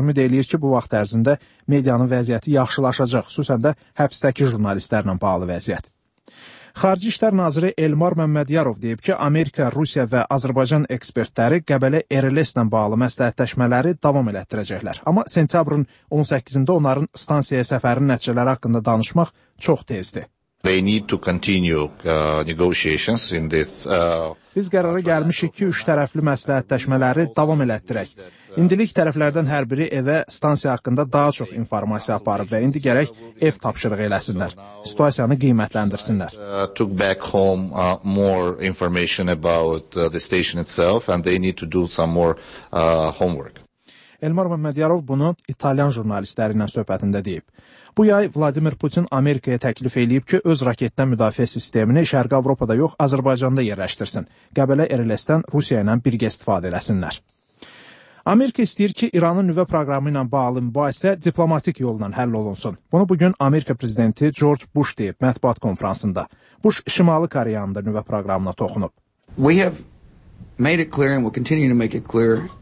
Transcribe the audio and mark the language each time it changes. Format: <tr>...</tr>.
<az>Ümid eləyir ki, bu vaxt ərzində medianın vəziyyəti yaxşılaşacaq, xüsusən də həbsdəki jurnalistlərlə bağlı vəziyyət. Xarici İşlər Naziri Elmar Məmmədyarov deyib ki, Amerika, Rusiya və Azərbaycan ekspertləri Qəbələ RLS-lə bağlı məsləhətləşmələri davam elətdirəcəklər. Amma sentyabrın 18-də onların stansiyaya səfərinin nəticələri haqqında danışmaq çox tezdir.</az> <en>They need to continue negotiations in this.</en> <az>Biz qərara gəlmişik ki, üç tərəfli məsləhətləşmələri davam elətdirək. İndilik tərəflərdən hər biri evə stansiya haqqında daha çox informasiya aparıb və indi gərək ev tapşırığı eləsinlər, situasiyanı qiymətləndirsinlər.</az> <en>Took back home more information about the station itself and they need to do some more homework.</en> <az>Elmar Məmmədyarov bunu İtalyan jurnalistləri ilə söhbətində deyib. Bu yay Vladimir Putin Amerikaya təklif eləyib ki, öz raketdən müdafiə sistemini Şərqi Avropada yox, Azərbaycanda yerləşdirsin. Qəbələ RLS-dən Rusiya ilə birgə istifadə eləsinlər. Amerika istəyir ki, İranın nüvə proqramı ilə bağlı mübahisə diplomatik yolla həll olunsun. Bunu bugün Amerika prezidenti George Bush deyib mətbuat konfransında. Bush Şimali Koreyanın da nüvə proqramına toxunub.</az> <en>We have made it clear and we'll continue to make it clear.</en>